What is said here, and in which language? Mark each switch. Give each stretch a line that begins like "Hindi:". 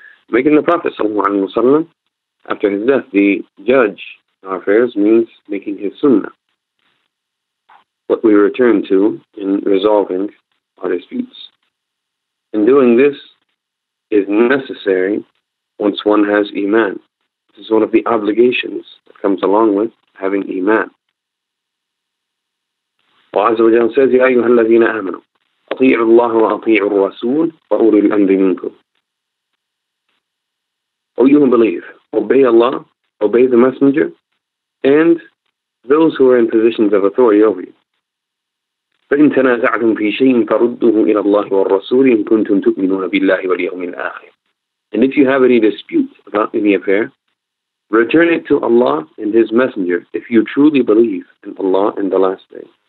English: Making the Prophet sallallahu alaihi wasallam after his death the judge in our affairs means making his Sunnah what we return to in resolving our disputes. And doing this is necessary once one has Iman. This is one of the obligations that comes along with having Iman. Allah Azza wa Jalla says,
Arabic: يَا أَيُّهَا الَّذِينَ آمَنُوا أَطِيعُوا اللَّهَ وَأَطِيعُوا الرَّسُولَ وَأُولِي الْأَمْرِ مِنْكُمْ.
English: O you who believe, obey Allah, obey the Messenger, and those who are in positions of authority over you.
Arabic: فَإِنْ تَنَازَعْتُمْ فِي شَيْءٍ فَرُدُّهُ إِلَى اللَّهِ وَالرَّسُولِ إِنْ كُنْتُمْ تُؤْمِنُونَ بِاللَّهِ وَالْيَوْمِ الْآخِرِ.
English: And if you have any dispute about any affair, return it to Allah and His Messenger if you truly believe in Allah and the Last Day.